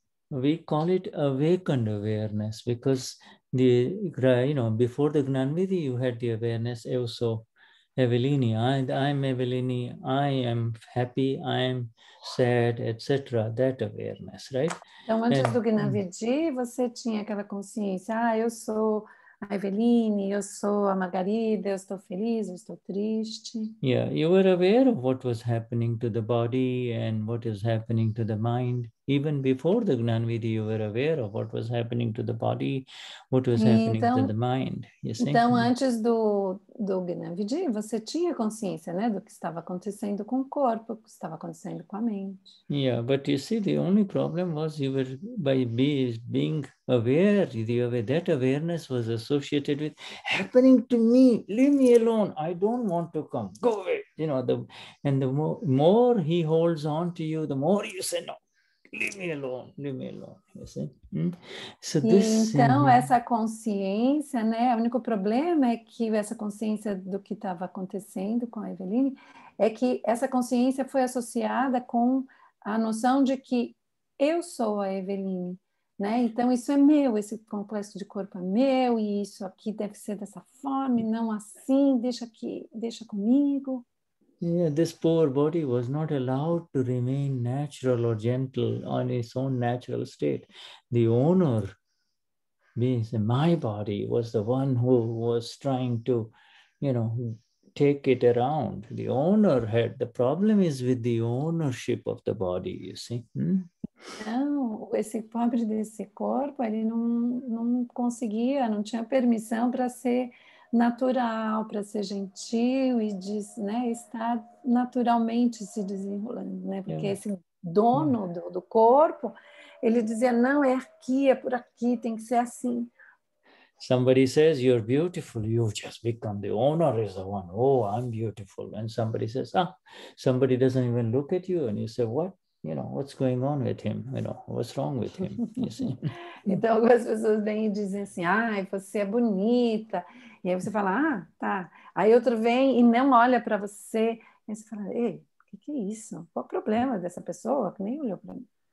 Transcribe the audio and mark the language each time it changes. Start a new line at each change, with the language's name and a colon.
English: We call it awakened awareness because the, you know, before the Gnan Vidhi, you had the awareness,
Portuguese: eu sou Evelini,
English: I'm Evelini, I am happy, I am sad, etc. That awareness, right?
Portuguese: Então, antes do Gnan Vidhi, você tinha aquela consciência, ah, eu sou a Evelini, eu sou a Margarida, eu estou feliz, eu estou triste.
English: Yeah, you were aware of what was happening to the body and what is happening to the mind. Even before the Gnan Vidhi, you were aware of what was happening to the body, what was happening
Portuguese: então,
English: to the mind. You see?
Portuguese: Então, antes do Gnan Vidhi, você tinha consciência, né, do que estava acontecendo com o corpo, o que estava acontecendo com a mente.
English: Yeah, but you see, the only problem was you were, by being aware, that awareness was associated with happening to me, leave me alone, I don't want to come, go away. You know, the more he holds on to you, the more you say no. Leave me alone, you see? Hmm? So this,
Portuguese: então, essa consciência, né? O único problema é que essa consciência do que estava acontecendo com a Eveline é que essa consciência foi associada com a noção de que eu sou a Eveline, né? Então, isso é meu, esse complexo de corpo é meu e isso aqui deve ser dessa forma e não assim, deixa aqui, deixa comigo.
English: Yeah, this poor body was not allowed to remain natural or gentle on its own natural state. The owner, being my body, was the one who was trying to, you know, take it around. The owner had, the problem is with the ownership of the body, you see.
Portuguese: Não, esse pobre desse corpo, ele não conseguia, não tinha permissão para ser natural, para ser gentil e diz, né, estar naturalmente se desenrolando, né? Porque esse dono do corpo, ele dizia, não, é aqui, é por aqui, tem que ser assim.
English: Somebody says, you're beautiful, you just become the owner is the one. Oh, I'm beautiful. And somebody says, ah, somebody doesn't even look at you and you say, what? You know, what's going on with him? You know, what's wrong with him? You see?
Portuguese: Então, algumas pessoas vêm e dizem assim, ai, você é bonita. E aí você fala, ah, tá. Aí outro vem e não olha para você. E você fala, ei, que é isso? Qual o problema dessa pessoa que nem olhou para mim?